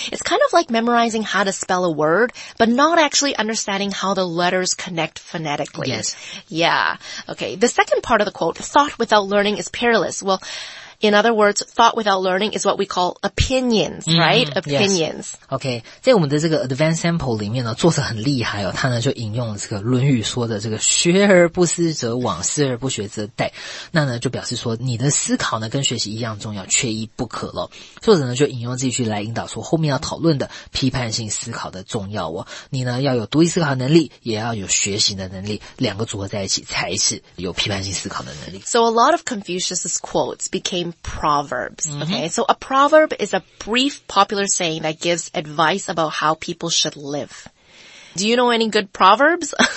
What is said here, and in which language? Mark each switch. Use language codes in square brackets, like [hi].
[en] It's kind of like memorizing how to spell a word, but not actually understanding how the letters connect phonetically. Yes. Yeah. Okay. The second part of the quote, thought without learning is perilous. Well, in other words, thought without learning is what we call opinions, right? Opinions. Yes. Okay. [zh] 在我们的这个 advanced sample 里面呢，作者很厉害哦，他呢就引用了这个《论语》说的这个“学而不思则罔，思而不学则殆”，那呢就表示说你的思考呢跟学习一样重要，缺一不可了。作者呢就引用这句来引导说后面要讨论的批判性思考的重要哦。你呢要有独立思考能力，也要有学习的能力，两个组合在一起才是有批判性思考的能力。 [en] So a lot of Confucius's quotes became proverbs. Okay, so a proverb is a brief popular saying that gives advice about how people should live. Do you know any good proverbs?